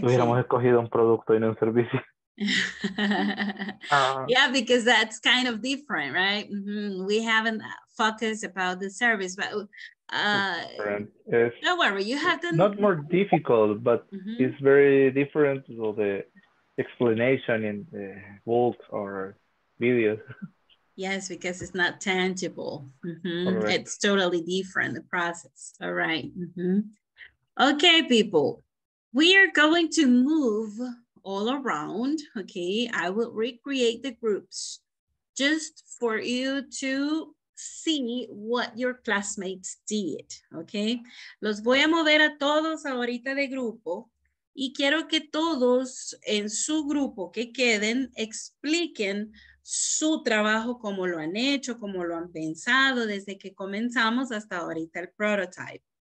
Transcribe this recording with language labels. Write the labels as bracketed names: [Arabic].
[Spanish] Hubiéramos escogido un producto y no un servicio. [English] Yeah, because that's kind of different, right? Mm-hmm. We haven't focused about the service, but don't worry, you have to not more difficult, but mm-hmm. it's very different to the explanation in the book or video. Yes, because it's not tangible. Mm-hmm. Right. It's totally different, the process. All right. Mm-hmm. Okay, people, we are going to move all around. Okay, I will recreate the groups just for you to see what your classmates did. [Spanish] Okay, los voy a mover a todos ahorita de grupo y quiero que todos en su grupo que queden expliquen su trabajo, cómo lo han hecho, cómo lo han pensado desde que comenzamos hasta ahorita el prototype.